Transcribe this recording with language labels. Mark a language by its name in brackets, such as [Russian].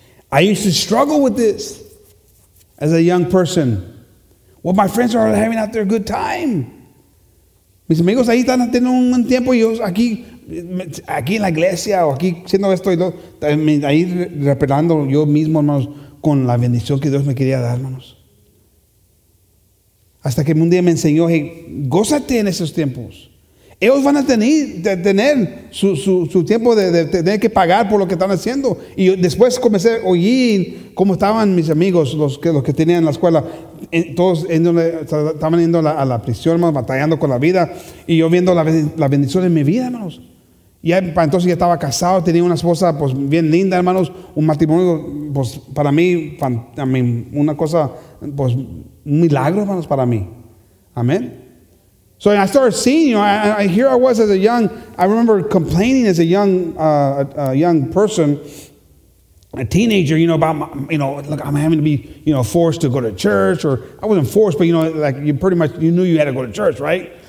[English] I used to struggle with this as a young person. Well, my friends are having out there a good time. [Spanish] Mis amigos ahí están teniendo un buen tiempo, y yo aquí en la iglesia, o aquí siendo esto, ahí repelando yo mismo, hermanos, con la bendición que Dios me quería dar, hermanos. Hasta que un día me enseñó, hey, gózate en esos tiempos. Ellos van a tener su tiempo de tener que pagar por lo que están haciendo. Y después comencé a oír cómo estaban mis amigos, los que tenían en la escuela. Todos estaban yendo a la prisión, hermanos, batallando con la vida. Y yo viendo la bendición en mi vida, hermanos. Y entonces ya estaba casado, tenía una esposa pues bien linda, hermanos. Un matrimonio, pues para mí, una cosa, pues un milagro, hermanos, para mí. Amén. [English] So I started seeing, you know, I here I was as a young, I remember complaining as a young young person, a teenager, you know, about my, you know, look, I'm having to be, you know, forced to go to church, or I wasn't forced, but, you know, like you pretty much, you knew you had to go to church, right?